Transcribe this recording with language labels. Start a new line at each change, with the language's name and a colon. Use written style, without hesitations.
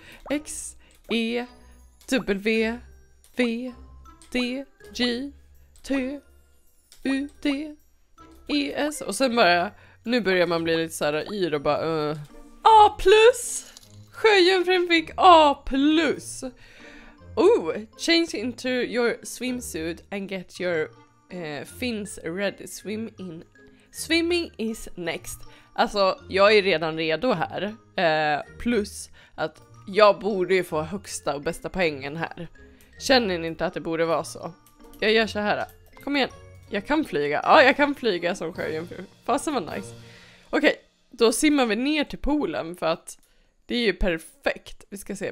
Swedish: X, E, W, V, D, G, T, U, D, E, S. Och sen bara, nu börjar man bli lite så här yr och bara A plus! Sjöjungfrun fick A plus!
English: Oh, change into your swimsuit and get your fins ready. Swim in. Swimming is next.
Swedish: Alltså, jag är redan redo här. Plus att jag borde ju få högsta och bästa poängen här. Känner ni inte att det borde vara så? Jag gör så här. Kom igen. Jag kan flyga. Ja, jag kan flyga som sjöjungfru. Fasen vad nice. Okej, då simmar vi ner till poolen för att det är ju perfekt. Vi ska se.